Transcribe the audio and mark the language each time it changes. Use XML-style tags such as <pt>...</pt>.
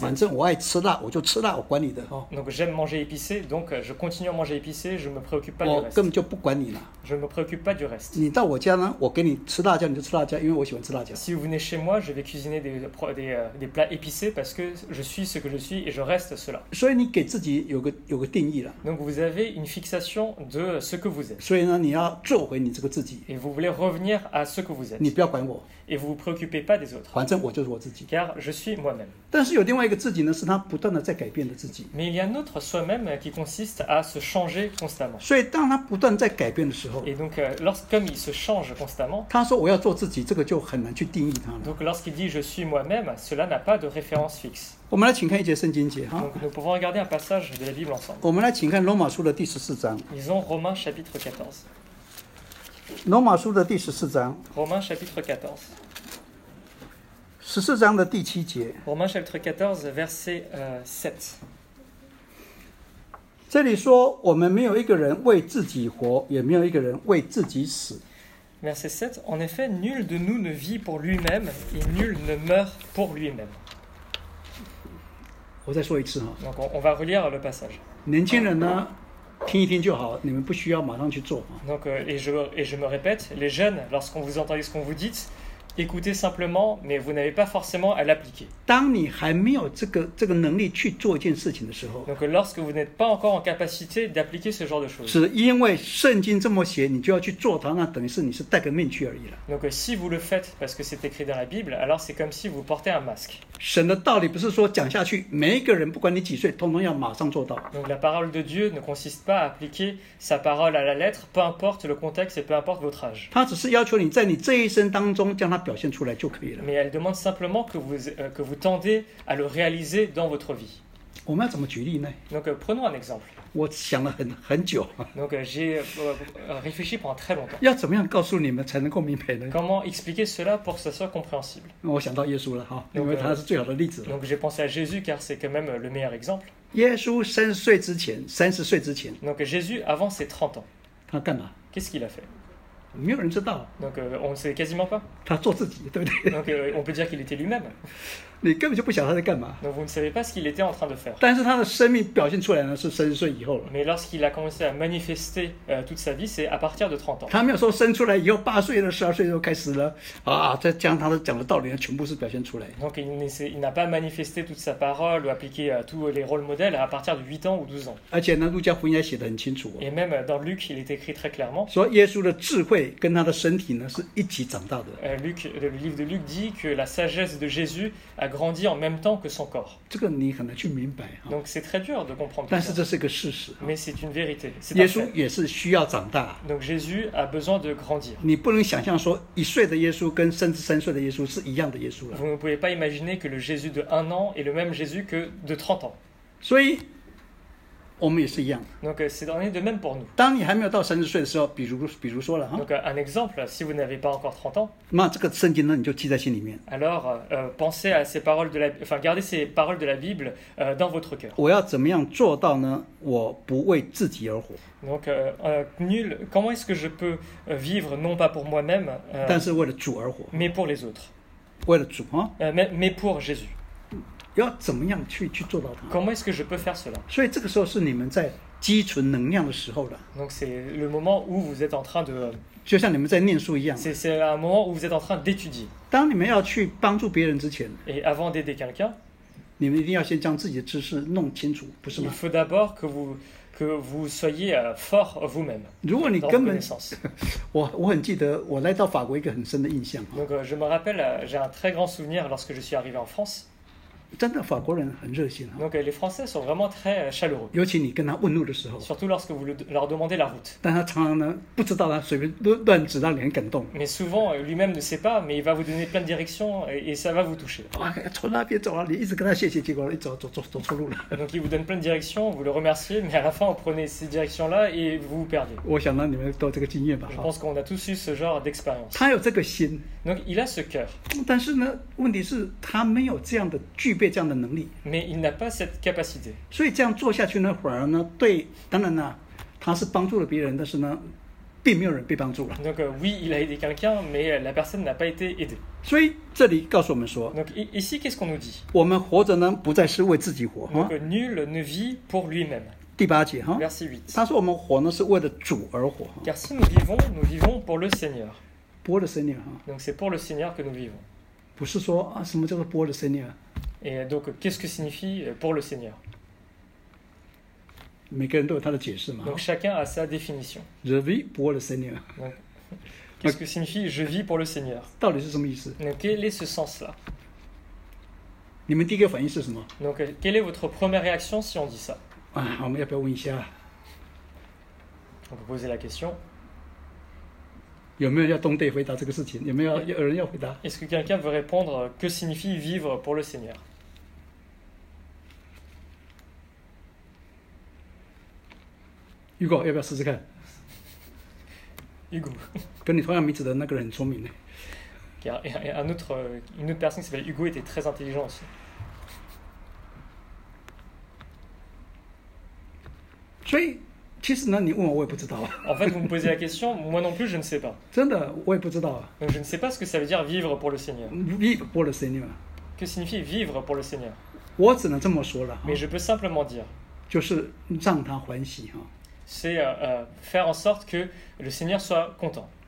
<zh>反正我爱吃辣，我就吃辣，我管你的。</zh> <fr>Donc j'aime manger épicé, donc je continue à manger épicé, je me préoccupe pas du reste.</fr> <zh>我根本就不管你了。</zh> <fr>Je me préoccupe pas du reste.</fr> <zh>你到我家呢，我给你吃辣椒，你就吃辣椒，因为我喜欢吃辣椒。</zh> <fr>Si vous venez chez moi, je vais cuisiner des plats épicés parce que je suis ce que je suis et je reste cela.</fr> <zh>所以你给自己有个定义了。</zh> <fr>Donc vous avez une fixation de ce que vous êtes.</fr> <zh>所以所以呢，你要做回你这个自己。</zh> <fr>Et vous voulez revenir à ce que vous êtes.</fr> <zh>你不要管我。</zh> <fr>Et vous vous préoccupez pas des autres.</fr> <zh>反正我就是我自己。</zh> <fr>Car je suis moi-même.</fr> <zh>但是有另外一个自己呢，是他不断的在改变的自己。</zh> <fr>Mais il y a un autre soi-même qui consiste à se changer constamment.</fr> <zh>所以当他不断在改变的时候</zh> <fr>，Et donc lorsqu'comme il se change constamment,</fr> <zh>他说我要做自己，这个就很难去定义他了。</zh> <fr>Donc lorsqu'il dit je suis moi-même, cela n'a pas de référence fixe.</fr> <zh>我们来请看一节圣经节哈。</zh> <fr>Donc, nous pouvons regarder un passage de la Bible ensemble.</fr> <zh>我们来请看罗马书的第十四章。</zh> <fr>Ils ont Romains chapitre 14.</fr> <zh>罗马书的第十四章。</zh> <fr>Romains chapitre 14.</fr> <zh>十四章的第七节。</zh> <fr>Romains chapitre 14, verset 7.</fr> <zh>这里说，我们没有一个人为自己活，也没有一个人为自己死。</zh> <fr>Verset 7. En effet, nul de nous ne vit pour lui-même et nul ne meurt pour lui-même.</fr> <zh>我再说一次哈。</zh> <fr>Donc on va relire le passage.</fr> <zh>年轻人呢，听一听就好，你们不需要马上去做。</zh> <fr>Donc et je me répète, les jeunes, lorsqu'on vous entendez ce qu'on vous dit, écoutez simplement, mais vous n'avez pas forcément à l'appliquer.</fr> <zh>当你还没有这个能力去做一件事情的时候，</zh> <fr>donc lorsque vous n'êtes pas encore en capacité d'appliquer ce genre de choses，</fr> <zh>只因为圣经这么写，你就要去做它，那等于是你是戴个面具而已了。</zh> <fr>donc si vous le faites parce que c'est écrit dans la Bible, alors c'est comme si vous portez un masque.</fr> <zh>神的道理不是说讲下去，每一个人不管你几岁，通通要马上做到。</zh> <fr>donc la parole de Dieu ne consiste pas à appliquer sa parole à la lettre, peu importe le contexte et peu importe votre âge.</fr> <zh>它只是要求你在你这一生当中将它表现出来就可以了。</zh> <fr>mais elle demande simplement que vous tendez à le réaliser dans votre vie.</fr> <zh>我们要怎么举例呢？</zh> <fr>donc prenons un exemple.</fr> <zh>我想了很久。</zh> <fr>donc j'ai réfléchi pendant très longtemps.</fr> <zh>要怎么样告诉你们才能够明白呢？</zh> <fr>comment expliquer cela pour que ça soit compréhensible?</fr> <zh>我想到耶稣了哈，因为他是最好的例子了。</zh> <fr>donc j'ai pensé à Jésus car c'est quand même le meilleur exemple.</fr> <zh>耶稣三十岁之前。</zh> <fr>donc Jésus avant ses 30 ans.</fr> <zh>他干嘛？</zh> <fr>qu'est-ce qu'il a fait?</fr> <zh>没有人知道。</zh> <fr>Donc, on sait quasiment pas.</fr> <zh>他做自己，对不对？</zh> <fr>Donc, on peut dire qu'il était lui-même.</fr> <zh>你根本就不晓得他在干嘛。</zh> <fr>Donc, vous ne savez pas ce qu'il était en train de faire.</fr> <zh>但是他的生命表现出来呢，是三十岁以后了。</zh> <fr>Mais lorsqu'il a commencé à manifester toute sa vie, c'est à partir de 30 ans.</fr> <zh>他没有说生出来以后八岁了、十二岁就开始了啊，再将他的讲的道理全部是表现出来。</zh> <fr>Donc, il n'a pas manifesté toute sa parole ou appliqué tous les rôles modèles à partir de 8 ans ou 12 ans.</fr> <zh>而且呢，路加福音也写得很清楚。</zh> <fr>Et même dans Luc, il est écrit très clairement.</fr> <zh>说耶稣的智慧跟他的身体呢是一起长大的。</zh> <fr>Le livre de Luc dit que la sagesse de Jésus a grandit en même temps que son corps.</fr> <zh>这个你很难去明白。</zh> <fr>Donc c'est très dur de comprendre.</fr> <zh>但是这是个事实。</zh> <fr>Mais c'est une vérité.</fr> <zh>耶稣也是需要长大。</zh> <fr>Donc Jésus a besoin de grandir.</fr> <zh>你不能想象说一岁的耶稣跟三十三岁的耶稣是一样的耶稣了。</zh> <fr>Vous ne pouvez pas imaginer que le Jésus de 1 an est le même Jésus que de 30 ans.</fr> <zh>所以我们也是一样。</zh> <fr>Donc c'est de même pour nous.</fr> <zh>当你还没有到三十岁的时候，比如说了哈。</zh> <fr>Donc un exemple, si vous n'avez pas encore 30 ans.</fr> <zh>那这个圣经呢，你就记在心里面。</zh> <fr>Alors pensez à ces paroles de la, enfin gardez ces paroles de la Bible dans votre cœur.</fr> <zh>我要怎么样做到呢？我不为自己而活。</zh> <fr>Donc nul, comment est-ce que je peux vivre non pas pour moi-même,</fr> <zh>但是为了主而活。</zh> <fr>Mais pour les autres.</fr> <zh>为了主哈。</zh> <fr>Mais pour Jésus.</fr> <zh>要怎么样 去做到它？</zh> <fr>Comment est-ce que je peux faire cela?</fr> <zh>所以这个时候是你们在积存能量的时候了。</zh> <fr>Donc c'est le moment où vous êtes en train de</fr> <zh>就像你们在念书一样。</zh> <fr>C'est un moment où vous êtes en train d'étudier.</fr> <zh>当你们要去帮助别人之前，</zh> <fr>Et avant d'aider quelqu'un,</fr> <zh>你们一定要先将自己的知识弄清楚，不是吗？</zh> <fr>Il faut d'abord que vous soyez fort vous-même.</fr> <zh>如果你根本我很记得我来到法国一个很深的印象。</zh> <fr>Donc je me rappelle, j'ai un très grand souvenir lorsque je suis arrivé en France.</fr> <zh>真的法国人很热心。</zh> <fr>Donc, les Français sont vraiment très chaleureux.</fr> <zh>尤其你跟他问路的时候。</zh> <fr>Surtout lorsque vous leur demandez la route.</fr> <zh>但他常常呢不知道他随便乱指让你很感动。</zh> <fr>Mais souvent, lui-même ne sait pas, mais il va vous donner plein de directions et ça va vous toucher.</fr> <zh>从那边走啊，你一直跟他谢谢，结果一走错路了。</zh> <fr>Donc, il vous donne plein de directions, vous le remerciez, mais à la fin, vous prenez ces directions-là et vous vous perdez.</fr> <zh>我想呢，你们都有这个经验吧。</zh> <fr>Je pense qu'on a tous eu ce genre d'expérience.</fr> <zh>他有这个心。</zh> <fr>Donc, il a ce cœur.</fr> <zh>但是呢，问题是他没有这样的具备。</zh> <fr>Mais il n'a pas cette capacité.</fr> <zh>所以这样做下去呢，反而呢，对，当然呢，他是帮助了别人，但是呢，并没有人被帮助了。</zh> <fr>Donc oui, il a aidé quelqu'un, mais la personne n'a pas été aidée.</fr> <zh>所以这里告诉我们说</zh> <fr>，Donc ici, qu'est-ce qu'on nous dit?</fr> <zh>我们活着呢，不再是为自己活。</zh> <fr>Donc nul ne vit pour lui-même.</fr> <zh>第八节哈</zh> <fr>，Verset 8.</fr> <zh>他说我们活呢，是为了主而活。</zh> <fr>Car si nous vivons, nous vivons pour le Seigneur. Pour le Seigneur. Donc c'est pour le Seigneur que nous vivons.</fr> <zh>不是说啊，什么叫做</zh> <fr>pour le Seigneur？ Et donc, qu'est-ce que signifie pour le Seigneur?</fr> <zh>每个人都有他的解释嘛。</zh> <fr>Donc, chacun a sa définition. Je vis pour le Seigneur. Qu'est-ce que signifie je vis pour le Seigneur?</fr> <zh>到底是什么意思？</zh> <fr>Donc, quel est ce sens-là?</fr> <zh>你们第一个反应是什么？</zh> <fr>Donc, quelle est votre première réaction si on dit ça?</fr> <zh>我们要不要问一下？</zh> <fr>On peut poser la question.</fr> <zh>有没有要东队回答这个事情？有没有有人要回答？</zh> <fr>Est-ce que quelqu'un veut répondre que signifie vivre pour le Seigneur?</fr> <zh>Hugo, 要不要试试看？Hugo，跟你同样名字的那个人很聪明呢。</zh> <fr>Car une autre personne qui s'appelle Hugo était très intelligent aussi.</fr> <zh>所以，其实呢，你问我，我也不知道。</zh> <fr>En fait, vous me posez la question, moi non plus, je ne sais pas.</fr> <zh>真的，我也不知道。</zh> <fr>Donc, je ne sais pas ce que ça veut dire vivre pour le Seigneur. Vivre pour le Seigneur. Que signifie vivre pour le Seigneur?</fr> <zh>我只能这么说了。</zh> <fr>Mais je peux simplement dire.</fr> <zh>就是让他欢喜哈。</zh> <fr>C'est faire en sorte que le Seigneur soit content.</fr>